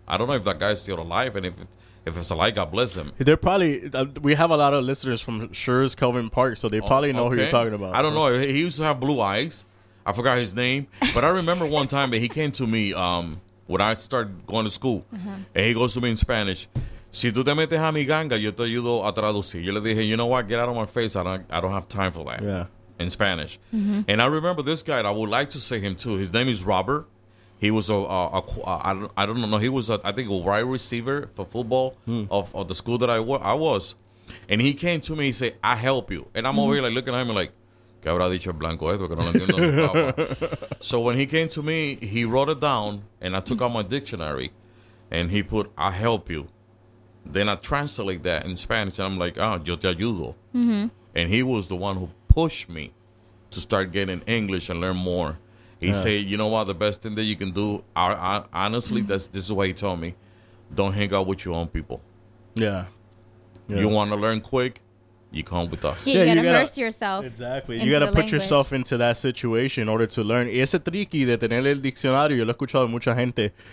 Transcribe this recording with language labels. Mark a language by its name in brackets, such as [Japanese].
[English] I don't know if that guy's still alive, and if it's alive, God bless him. They're probably, we have a lot of listeners from Schurz Kelvin Park, so they probably know who you're talking about. I don't know. He used to have blue eyes. I forgot his name. But I remember one time that he came to me when I started going to school, and he goes to me in Spanish. [Spanish] Si tú te metes a mi ganga, yo te ayudo a traducir. Yo le dije, [English] you know what? Get out of my face. I don't have time for that. Yeah. In Spanish. Mm-hmm. And I remember this guy, and I would like to say him too. His name is Robert. He was a wide receiver for football of the school that I was. And he came to me, he said, I help you. And I'm over here, like, looking at him like, [Spanish] ¿qué habrá dicho blanco esto? Que no lo entiendo. [English] So when he came to me, he wrote it down, and I took out my dictionary, and he put, I help you. Then I translate that in Spanish, and I'm like, oh, [Spanish] yo te ayudo. [English] Mm-hmm. And he was the one who pushed me to start getting English and learn more. He said, you know what, the best thing that you can do, honestly, mm-hmm. this is what he told me, don't hang out with your own people. Yeah. You want to learn quick, you come with us. Yeah, you gotta immerse yourself. Exactly. You gotta put yourself into that situation in order to learn. [Spanish] Y ese tricky de tener el diccionario, yo lo he escuchado de mucha gente.